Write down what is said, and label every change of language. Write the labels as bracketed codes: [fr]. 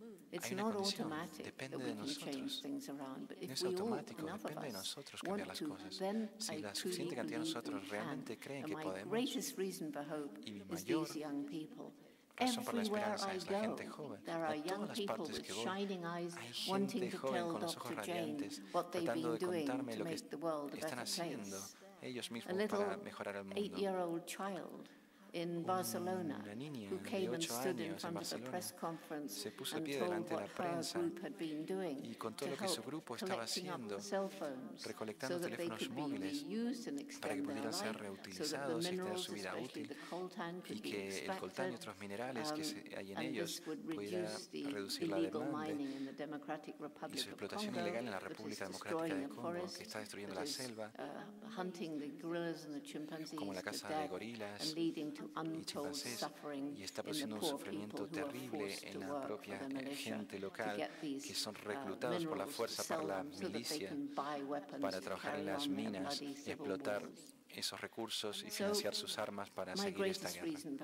[en] It's not automatic that we can change things around. But if we all, enough of us, want to, then I truly believe we can. And my greatest reason for hope is these young people. [es] Razón por la esperanza es la gente joven. A todas las partes que voy, hay gente joven con los ojos radiantes tratando de contarme lo que están haciendo ellos mismos para mejorar el mundo. [en] in Barcelona, who came and stood in front of a press conference and told what her group had been doing to help collecting up the cell phones so that they could be reused and extend their life, so that the minerals, especially the coltan, could be extracted, and this would reduce the illegal mining in the Democratic Republic of Congo, that is destroying the forest, that is hunting the gorillas and the chimpanzees to death, and leading to untold suffering in the poor people who are forced to work for the militia to get these minerals to sell them so that they can buy weapons to carry on their bloody civil wars. [es] Esos recursos y financiar sus armas para seguir esta guerra.